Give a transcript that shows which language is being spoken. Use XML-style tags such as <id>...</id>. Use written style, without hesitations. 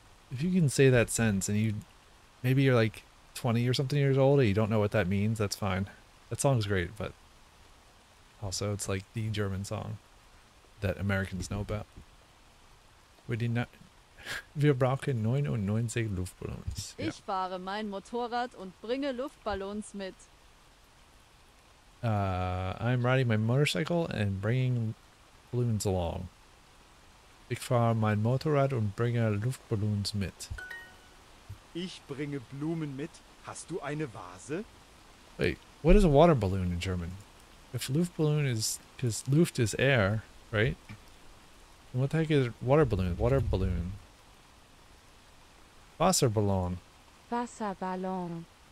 <en>If you can say that sentence and you. Maybe you're like 20 or something years old and you don't know what that means. That's fine. That song's great, but also it's like the German song that Americans know about. We did not.</en> <de>Wir brauchen 99 Luftballons.</de> <en>Yeah.</en> <de>Ich fahre mein Motorrad und bringe Luftballons mit.</de> <en>I'm riding my motorcycle and bringing balloons along.</en> <de>Ich fahre mein Motorrad und bringe Luftballons mit. Ich bringe Blumen mit. Hast du eine Vase?</de> <en>Wait, what is a water balloon in German? If Luftballon is, because Luft is air, right? And what the heck is water balloon? Water balloon.</en> <de>Wasserballon. Wasserballon.</de>